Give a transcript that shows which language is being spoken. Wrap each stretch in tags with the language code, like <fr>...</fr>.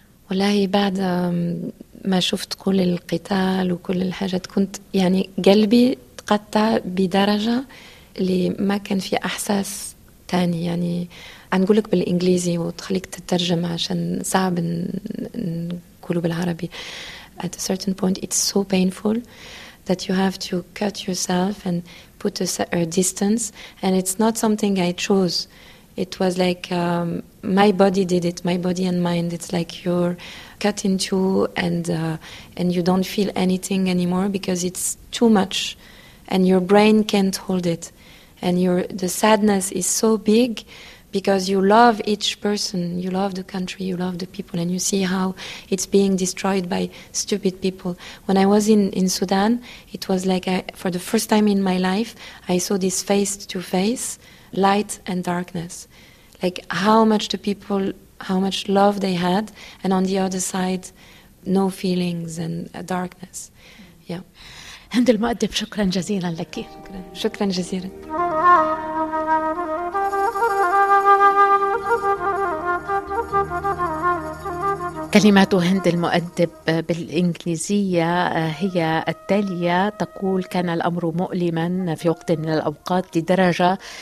<ar>والله بعد ما شفت كل القتال وكل الحاجات، كنت يعني قلبي تقطع بدرجة اللي ما كان في أحساس تاني. يعني أنقولك بالإنجليزي وتخليك تترجم عشان صعب نقوله بالعربي.</ar> <en>At a certain point it's so painful that you have to cut yourself and put a certain distance. And it's not something I chose. It was like my body did it, my body and mind. It's like you're cut in two and you don't feel anything anymore because it's too much and your brain can't hold it. And the sadness is so big because you love each person, you love the country, you love the people, and you see how it's being destroyed by stupid people. When I was in Sudan, it was like for the first time in my life, I saw this face to face, light and darkness. Like how much the people, how much love they had, and on the other side, no feelings and darkness. Yeah.</en> <ar>هند المؤدب شكرا جزيلا لك. شكرا جزيلا. كلمات هند المؤدب بالإنجليزية هي التالية، تقول: كان الأمر مؤلما في وقت من الأوقات لدرجة</ar>